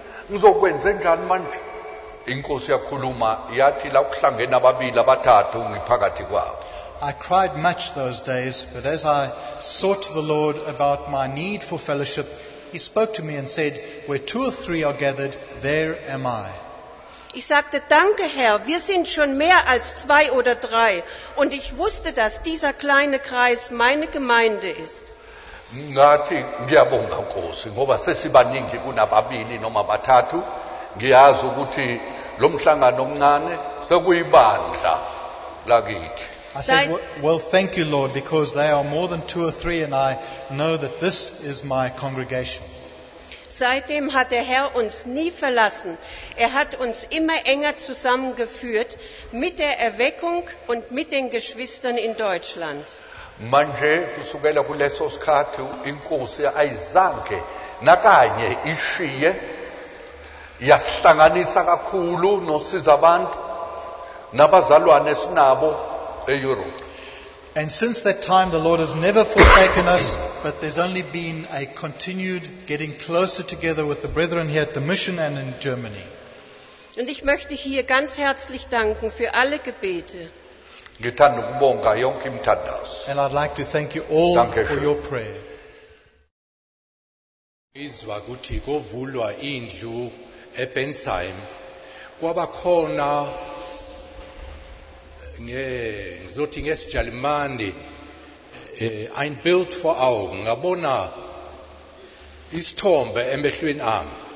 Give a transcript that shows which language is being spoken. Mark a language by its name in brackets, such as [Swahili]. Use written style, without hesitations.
[English] I cried much those days, but as I sought the Lord about my need for fellowship, he spoke to me and said, where two or three are gathered, there am I. [German] Ich sagte, danke Herr, wir sind schon mehr als zwei oder drei. Und ich wusste, dass dieser kleine Kreis meine Gemeinde ist. [Zulu] Ngathi ngiyabonga Nkosi, ngoba sesibaningi kunababili noma bathathu, ngiyazi ukuthi lo mhlangano omncane sekuyibandla lakithi. [English] I said, well, thank you, Lord, because they are more than two or three, and I know that this is my congregation. [German] Seitdem hat der Herr uns nie verlassen. Er hat uns immer enger zusammengeführt mit der Erweckung und mit den Geschwistern in Deutschland. [Zulu] Manje kusukela kuleso sikhathi inkosi ayizange nakanye ishiye yasihlanganisa kakhulu nosiza abantu nabazalwane sinabo. [English] And since that time, the Lord has never forsaken us, but there's only been a continued getting closer together with the brethren here at the mission and in Germany. [German] Und ich möchte hier ganz herzlich danken für alle Gebete. [English] And I'd like to thank you all for your prayer. [Zulu] Izwa kuthi kovulwa indlu eBensheim kwaba khona ngizothingesi jalimandi [German] ein Bild vor Augen [Zulu] abona isthombe emehlweni ami.